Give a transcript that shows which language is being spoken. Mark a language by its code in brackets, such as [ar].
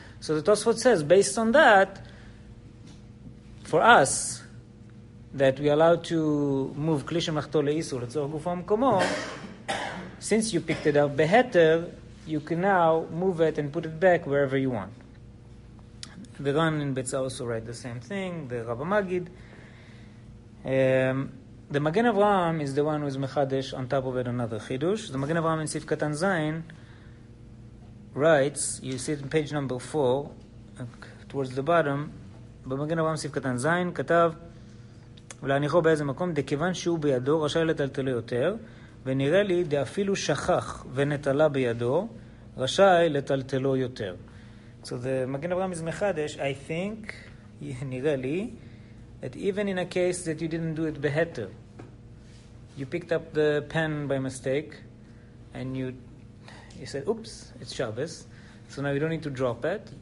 [en] So the Tosfot says, based on that, for us, that we allow to move kli shemlachto le'isur letzorech gufo mekomo, since you picked it up beheter, you can now move it and put it back wherever you want. The Ran in Betzah also write the same thing, the Rabba Magid. The Magen Avraham is the one who is mechadesh on top of it another chidush. The Magen Avraham in Sif Katan Zayin writes, you see it in page number 4, towards the bottom, [he] במגן אברהם סיף קטן זין, כתב, ולהניחו באיזה מקום, דכיוון שהוא בידו, רשאי לטלטלו יותר, ונראה לי, דאפילו שכח ונטלה בידו, רשאי לטלטלו יותר. [en] So the מגן אברהם is מחדש, I think, [he] נראה לי, [en] that even in a case that you didn't do it בהתר, you picked up the pen by mistake, and you... He said, oops, it's Shabbos, so now you don't need to drop it.